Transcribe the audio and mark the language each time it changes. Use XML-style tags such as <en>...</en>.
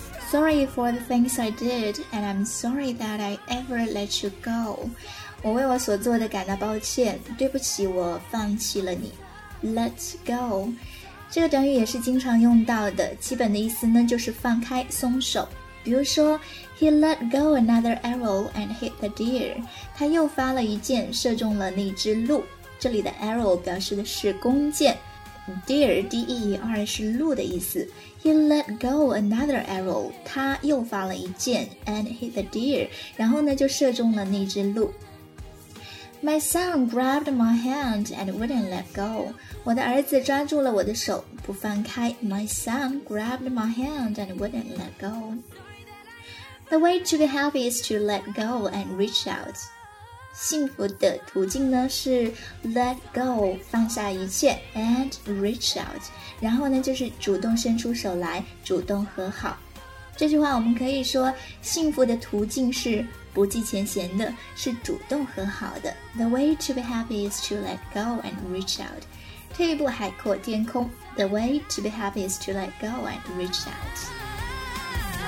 <en>Sorry for the things I did, and I'm sorry that I ever let you go.</en> <zh>我为我所做的感到抱歉，对不起，我放弃了你。</zh> <en>Let go.</en> <zh>这个短语也是经常用到的，基本的意思呢，就是放开，松手。比如说</zh> <en>,He let go another arrow and hit the deer.</en> <zh>他又发了一箭，射中了那只鹿。这里的 arrow 表示的是弓箭。 Deer, D-E-E-R 是鹿的意思。</zh> <en>He let go another arrow,</en> <zh>他又发了一箭</zh> <en>and hit the deer,</en> <zh>然后呢就射中了那只鹿。</zh> <en>My son grabbed my hand and wouldn't let go.</en> <zh>我的儿子抓住了我的手不放开。</zh> <en>My son grabbed my hand and wouldn't let go. The way to be happy is to let go and reach out.</en> <zh>幸福的途径呢是 let go, 放下一切</zh> <en>and reach out,</en> <zh>然后呢就是主动伸出手来，主动和好。这句话我们可以说，幸福的途径是不计前嫌的，是主动和好的。</zh> <en>The way to be happy is to let go and reach out.</en> <zh>退一步海阔天空。</zh> <en>The way to be happy is to let go and reach out.</en>